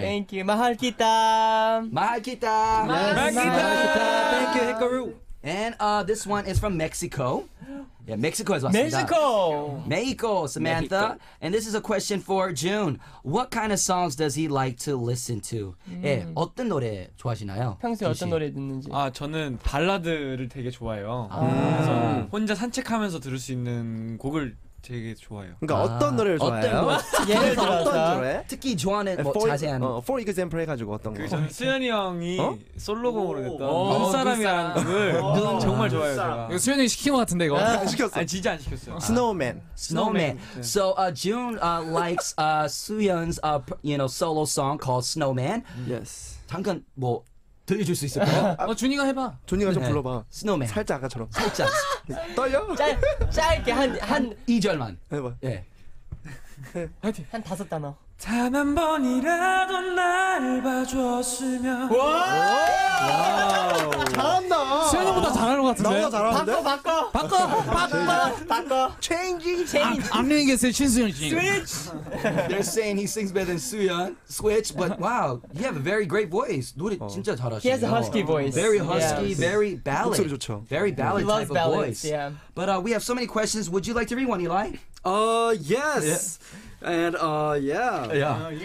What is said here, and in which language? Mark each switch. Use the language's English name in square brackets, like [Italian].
[English] Thank you. [Filipino] Mahal kita. Mahal kita. Mahal kita. [English] Thank you, Hikaru. And this one is from Mexico. Yeah, Mexico is awesome. Mexico! Mexico, Samantha. Mexico. And this is a question for June. What kind of songs does he like to listen to? [Korean] 예, 어떤 노래 좋아하시나요? 평소에 어떤 노래 듣는지. 아, 저는 발라드를 되게 좋아해요. 혼자 산책하면서 들을 수 있는 곡을 되게 좋아해요. 그러니까 어떤 노래를 좋아해요? 어떤 노래? 어떤 노래? 특히 좋아하는 뭐 for, 자세한 [English] For example [Korean] 해가지고 어떤 거? 그 수현이 형이 솔로곡으로 냈던 눈사람이라는 곡을 정말 좋아해요. 이거 수현이 형이 시킨 거 같은데 이거? 시켰어. 아니 진짜 안 시켰어요. [English] Snowman. Snowman. So June likes Suyeon's you know solo song called Snowman. Yes. [Korean] 잠깐 뭐 들려줄 수 있을까요? 준이가 해봐. 준이가 좀 불러봐. 스노우맨. 살짝 아까처럼. 살짝. 떨려? 짧게 한 2절만. 해봐. 예. 화이팅. 한 다섯 단어. 단 한 번이라도 날 봐줬으면. 와. 잘한다. 수현이보다 잘하는 것 같은데. 나보다 잘하는데? 바꿔. 바꿔. 바꿔. 바꿔. [English] Change. Change. [Korean] 안녕히 계세요, 신수현 씨. [English] Switch. They're saying he sings better than Suyeon. Switch. But wow, you have a very great voice. [Korean] 노래 진짜 잘하시네요. [English] He has a husky voice. Very husky. Very ballad. [Korean] 목소리 좋죠. [English] Very ballad type ballads, of voice. Yeah. But we have so many questions. Would you like to read one, Eli? Yes. Yeah. And yeah.